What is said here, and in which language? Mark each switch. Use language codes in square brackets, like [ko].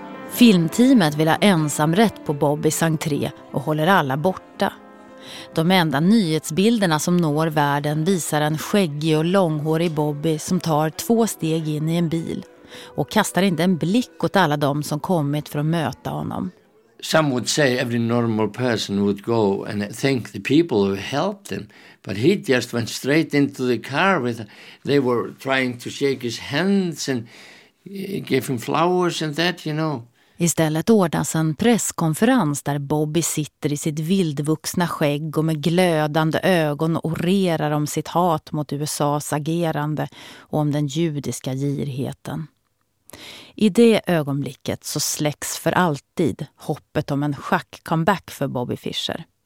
[sv] Filmteamet vill ha ensamrätt på Bobbys entré och håller alla borta. De enda nyhetsbilderna som når världen visar en skäggig och långhårig Bobby som tar 2 steg in i en bil och kastar inte en blick åt alla de som kommit för att möta honom. [en] Some would say every normal person would go and thank the people who helped him, but he just went straight into the car with they were trying to shake his hands and give him flowers and that, you know. [sv] Istället ordnas en presskonferens där Bobby sitter i sitt vildvuxna skägg och med glödande ögon orerar om sitt hat mot USAs agerande och om den judiska girigheten. I det ögonblicket så släcks för alltid hoppet om en schackcomeback för Bobby Fischer.